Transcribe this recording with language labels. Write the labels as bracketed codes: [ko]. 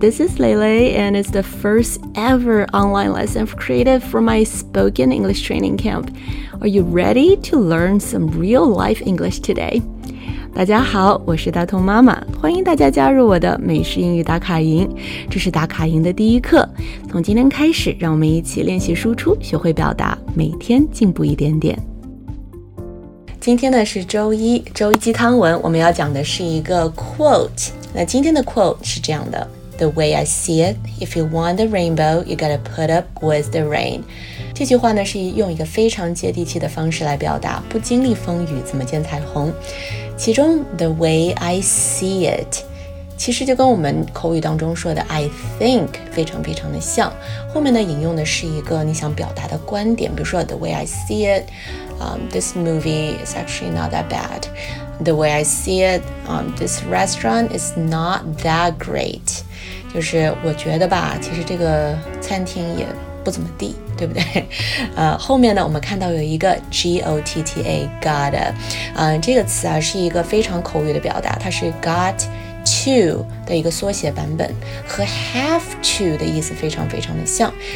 [en] This is Lele, and it's the first ever online lesson created for my spoken English training camp. Are you ready to learn some real-life English today? [zh] 大家好，我是大同妈妈，欢迎大家加入我的美式英语打卡营。这是打卡营的第一课，从今天开始，让我们一起练习输出，学会表达，每天进步一点点。今天呢是周一，周一鸡汤文，我们要讲的是一个 quote。那今天的 quote 是这样的 [en] The way I see it, if you want the rainbow, you gotta put up with the rain. [zh] 这句话呢是用一个非常接地气的方式来表达不经历风雨怎么见彩虹。其中 [en] The way I see it, [zh] 其实就跟我们口语当中说的 [en] I think [zh] 非常非常的像。后面呢引用的是一个你想表达的观点，比如说 [en] The way I see it,this movie is actually not that bad. The way I see it, this restaurant is not that great. [zh] 就是我觉得吧，其实这个餐厅也不怎么地，对不对？后面呢，我们看到有一个 G-O-T-T-A, gotta. 这个词啊，是一个非常口语的表达，它是 got to 的一个缩写版本，和 have to 的意思非常非常的像。